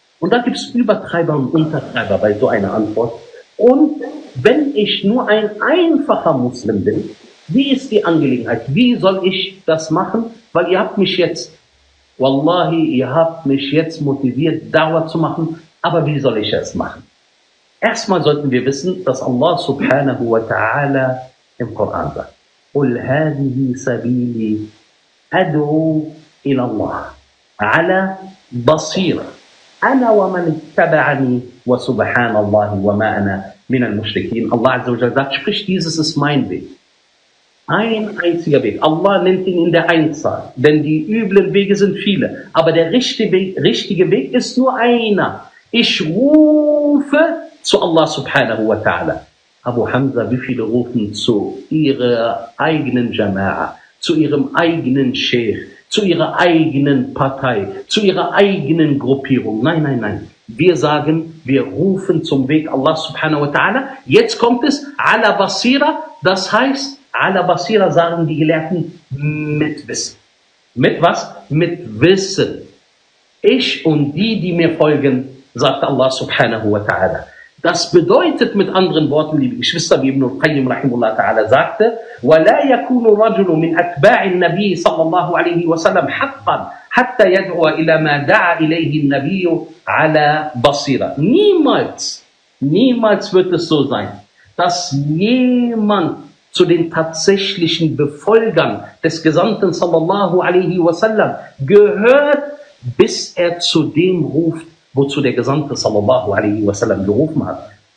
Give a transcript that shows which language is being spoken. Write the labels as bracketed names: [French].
[German] Und da gibt es Übertreiber und Untertreiber bei so einer Antwort. Und wenn ich nur ein einfacher Muslim bin, wie ist die Angelegenheit? Wie soll ich das machen? Weil ihr habt mich jetzt, Wallahi, ihr habt mich jetzt motiviert, Dawa zu machen, aber wie soll ich es machen? Erstmal sollten wir wissen, dass Allah subhanahu wa ta'ala im Koran sagt, [Arabic] قُلْ هَذِهِ سَبِيلِي أَدْعُو إِلَى اللَّهِ عَلَى بَصِيرًا أَنَا وَمَنِ اتَّبَعَنِي وَسُبْحَانَ اللَّهِ وَمَا أَنَا مِنَ الْمُشْرِكِينَ. [German] Allah Azza wa Jalla sagt, sprich, dieses ist mein Weg. Ein einziger Weg. Allah nennt ihn in der Einzahl. Denn die üblen Wege sind viele. Aber der richtige Weg ist nur einer. Ich rufe zu Allah subhanahu wa ta'ala. Abu Hamza, wie viele rufen zu ihrer eigenen Jama'a, zu ihrem eigenen Sheikh, zu ihrer eigenen Partei, zu ihrer eigenen Gruppierung? Nein, nein, nein. Wir sagen, wir rufen zum Weg Allah subhanahu wa ta'ala. Jetzt kommt es, ala basira, das heißt, ala basira sagen die Gelehrten mit Wissen. Mit was? Mit Wissen. Ich und die, die mir folgen, sagt Allah subhanahu wa ta'ala. Das bedeutet mit anderen Worten, liebe Geschwister, wie Ibn al-Qayyim rahimahullah ta'ala sagte, [Arabic] وَلَا يَكُونُ رَجُلُ مِنْ أَتْبَاعِ النَّبِيِّ صَلَّى اللَّهُ عَلَيْهِ وَسَلَّمْ حَقًّا حَتَّى يَدْعُوَ إِلَى مَا دَعَ إِلَيْهِ النَّبِيُّ عَلَى بَصِيرًا. [German] Niemals, niemals wird es so sein, dass jemand zu den tatsächlichen Befolgern des Gesandten sallallahu alaihi wasallam gehört, bis er zu dem ruft, wozu der Gesandte sallallahu alaihi wasallam gerufen hat.